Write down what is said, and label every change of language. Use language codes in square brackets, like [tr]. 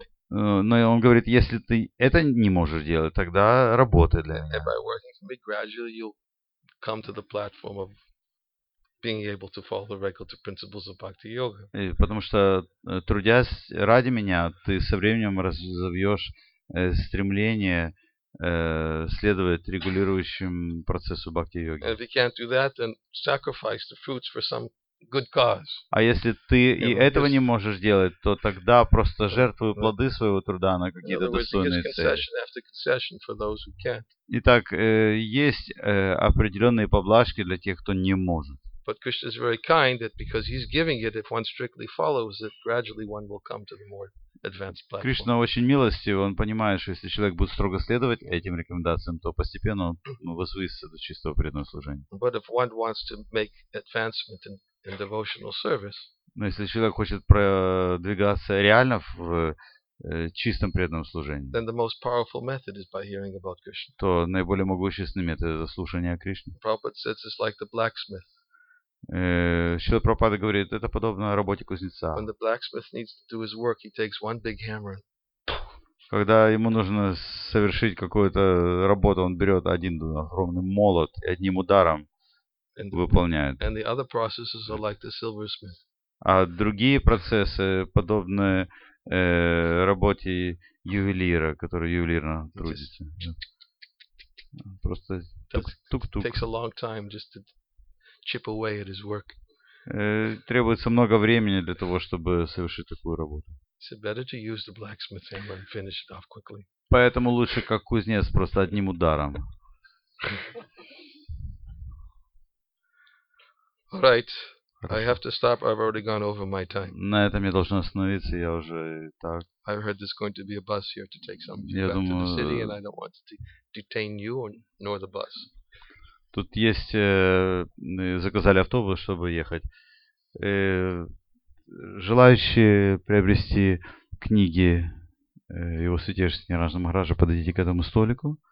[ru] Но он говорит, если ты это не можешь делать, тогда работай для меня. [en] And by working for me, gradually you'll come to the platform of being able to follow the regulative principles of bhakti yoga. [ru] И потому что трудясь ради меня, ты со временем разовьешь стремление следовать регулирующим процессу бхакти-йоги. [en] And if you can't do that, then sacrifice the fruits for some good cause. [ru] А если ты и этого не можешь делать, то тогда просто жертвуй плоды своего труда на какие-то достойные цели. Итак, есть определенные поблажки для тех, кто не может. [en] But Krishna is very kind that because he's giving it, if one strictly follows it, gradually one will come to the more advanced platform. [ru] Кришна очень милостив, он понимает, что если человек будет строго следовать этим рекомендациям, то постепенно он возвысится до чистого преданного служения. [en] But if one wants to make advancement in devotional service, [ru] но если человек хочет продвигаться реально в чистом преданном служении, [en] then the most powerful method is by hearing about Krishna. [ru] То наиболее могущественный метод — это слушание о Кришне. [en] Prabhupada says it's like the blacksmith. [ru] Шрила Прабхупада говорит, это подобно работе кузнеца. [en] When the blacksmith needs to do his work, he takes one big hammer. [ru] Когда ему нужно совершить какую-то работу, он берет один огромный молот и одним ударом выполняет. [en] And the other processes are like the silversmith. [ru] А другие процессы подобны работе ювелира, который ювелирно трудится. Просто тук-тук. [en] Takes a long time just to chip away at his work. [ru] Требуется много времени для того, чтобы совершить такую работу. [en] So better to use the blacksmith hammer and finish it off quickly. [ru] Поэтому лучше как кузнец просто одним ударом. [en] All right. I have to stop. I've already gone over my time. [ru] На этом я должен остановиться, я уже так. [en] I heard there's going to be a bus here to take some people back to the city, and I don't want to detain you nor the bus. [ru] Тут есть, заказали автобус, чтобы ехать. Желающие приобрести книги Его Святейшества Нираджа Махараджа, подойдите к этому столику.